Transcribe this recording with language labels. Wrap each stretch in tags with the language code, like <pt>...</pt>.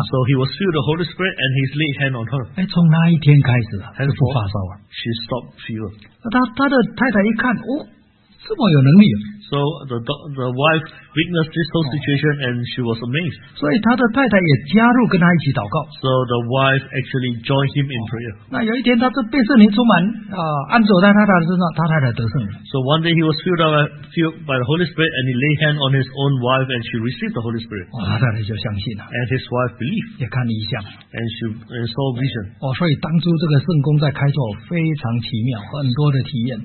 <en>So he was filled with the Holy Spirit and he laid hand on her.</en> <zh>哎，从那一天开始，她就不发烧了。</zh> <en>She stopped fever.</en> <zh>她的太太一看，哦，这么有能力。</zh> <en>So the wife witnessed this whole situation and she was amazed.</en> <zh>所以他的太太也加入跟他一起祷告。</zh> <en>So the wife actually joined him in prayer.</en> <zh>那有一天他就被圣灵充满，按手在他太太身上，他太太得胜了。</zh> <en>So one day he was filled by the Holy Spirit and he laid hand on his own wife and she received the Holy Spirit.</en> <zh>他太太就相信了。</zh> <en>And his wife believed.</en> <zh>也看了异象。</zh> <en>And saw vision.</en> <zh>所以当初这个圣工在开拓非常奇妙，很多的体验。</zh>